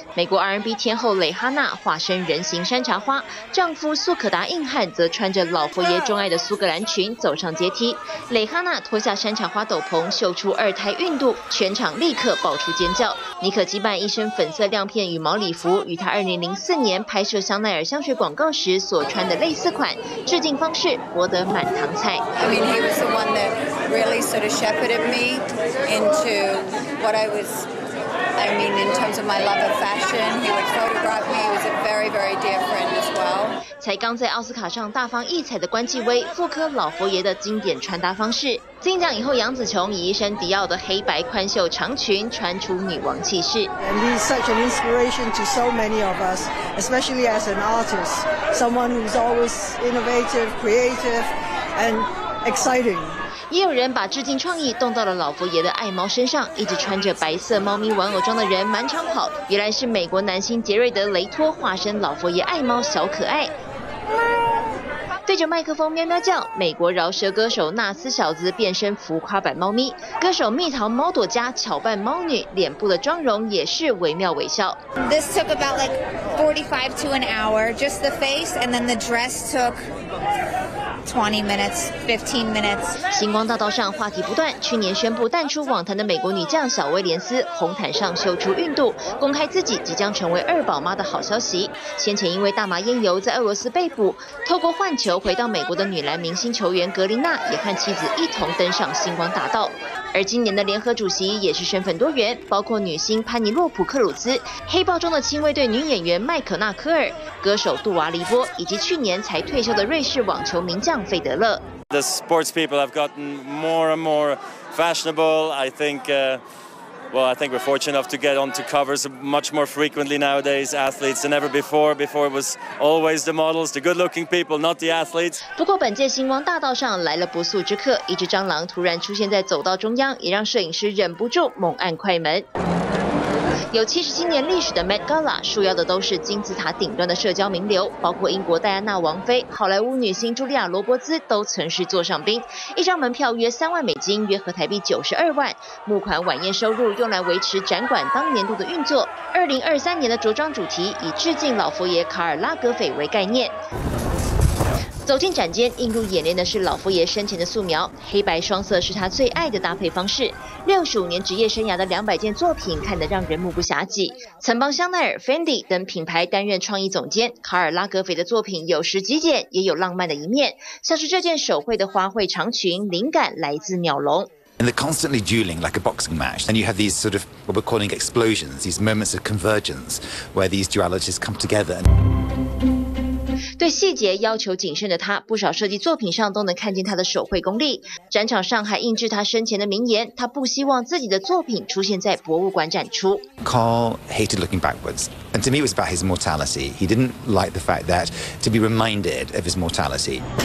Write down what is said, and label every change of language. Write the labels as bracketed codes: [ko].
[zh] 美国 R&B 天后蕾哈娜化身人形山茶花，丈夫苏可达硬汉则穿着老佛爷钟爱的苏格兰裙走上阶梯。蕾哈娜脱下山茶花斗篷，秀出二胎孕肚，全场立刻爆出尖叫。妮可基曼一身粉色亮片羽毛礼服，与她2004年拍摄香奈儿香水广告时所穿的类似款，致敬方式博得满堂彩。 [en] I mean, he was the one that really sort of shepherded me into what I was. I mean, in terms of my love of fashion, he would photograph me. He was a very, very dear friend as well. [zh] 才刚在奥斯卡上大放异彩的关继威复刻老佛爷的经典穿搭方式，金奖以后杨紫琼以一身迪奥的黑白宽袖长裙穿出女王气势。 [en] And he's such an inspiration to so many of us, especially as an artist, someone who's always innovative, creative, and exciting. [zh] 也有人把致敬创意动到了老佛爷的爱猫身上，一直穿着白色猫咪玩偶装的人满场跑，原来是美国男星杰瑞德·雷托化身老佛爷爱猫小可爱，对着麦克风喵喵叫。美国饶舌歌手纳斯小子变身浮夸版猫咪，歌手蜜桃猫朵家巧扮猫女，脸部的妆容也是惟妙惟肖。 [en] This took about like 45 to an hour, just the face, and then the dress took 20 minutes, 15 minutes. [zh] 星光大道上话题不断，去年宣布淡出网坛的美国女将小威廉斯红毯上秀出孕肚，公开自己即将成为二宝妈的好消息。先前因为大麻烟油在俄罗斯被捕，透过换球回到美国的女篮明星球员格林娜也和妻子一同登上星光大道。而今年的联合主席也是身份多元，包括女星潘尼洛普·克鲁兹、黑豹中的亲卫队女演员麦可纳科尔、歌手杜娃黎波，以及去年才退休的瑞士网球名将费德勒。 [en] The sports people have gotten more and more fashionable. I think, I think we're fortunate enough to get onto covers much more frequently nowadays, athletes than ever before. Before it was always the models, the good-looking people, not the athletes. [zh] 不过本届星光大道上来了不速之客，一只蟑螂突然出现在走道中央，也让摄影师忍不住猛按快门。有77年历史的 Met Gala 束腰的都是金字塔顶端的社交名流，包括英国戴安娜王妃、好莱坞女星茱莉亚·罗伯兹都曾是座上宾。一张门票约$30,000，约合台币92万。募款晚宴收入用来维持展馆当年度的运作。 2023年的着装主题以致敬老佛爷卡尔·拉格斐为概念。走进展间，映入眼帘的是老佛爷生前的素描，黑白双色是他最爱的搭配方式。 65年职业生涯的200件作品，看得让人目不暇接。曾帮香奈儿、Fendi 等品牌担任创意总监，卡尔拉格斐的作品有时极简，也有浪漫的一面。像是这件手绘的花卉长裙，灵感来自鸟笼。 [en] And they're constantly dueling like a boxing match. And you have these sort of what we're calling explosions, these moments of convergence where these dualities come together. [zh] 对细节要求谨慎的他，不少设计作品上都能看见他的手绘功力。展场上还印制他生前的名言，他不希望自己的作品出现在博物馆展出。 [en] Carl hated looking backwards, and to me it was about his mortality. He didn't like the fact that to be reminded of his mortality.